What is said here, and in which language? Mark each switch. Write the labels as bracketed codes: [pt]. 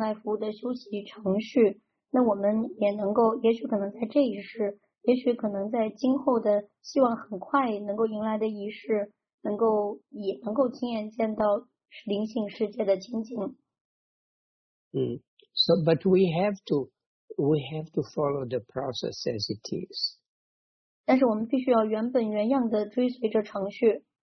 [zh] 所以如果按照Srila Prabhupada所给予我们的纯粹奉爱服务的修习程序, 那我们也能够，也许可能在这一世，也许可能在今后的希望很快能够迎来的一世，能够亲眼见到灵性世界的情景。 [en] But we have to follow the process as it is. [zh] 但是我们必须要原本原样的追随着程序。